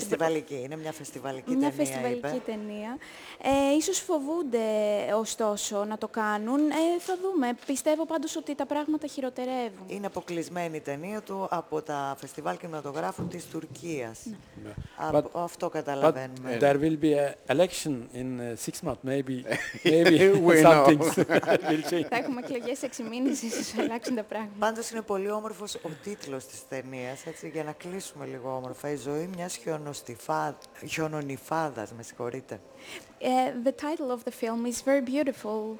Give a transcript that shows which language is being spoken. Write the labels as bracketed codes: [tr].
[el] Φεστιβαλική, είναι μια φεστιβαλική ταινία, είπε. Ίσως φοβούνται, ωστόσο, να το κάνουν. Θα δούμε. Πιστεύω πάντως ότι τα πράγματα χειροτερεύουν. Είναι αποκλεισμένη η ταινία του από τα φεστιβάλ κινηματογράφου της Τουρκίας. Αυτό καταλαβαίνουμε. [en] But there will be an election in 6 months, maybe something will change. [el] Θα έχουμε εκλογές 6 μήνες. Πάντως είναι πολύ όμορφος ο τίτλος της ταινίας, έτσι, για να κλείσουμε λίγο όμορφα. Η ζωή μιας χιονονυφάδας, με συγχωρείτε. [en] The title of the film is very beautiful.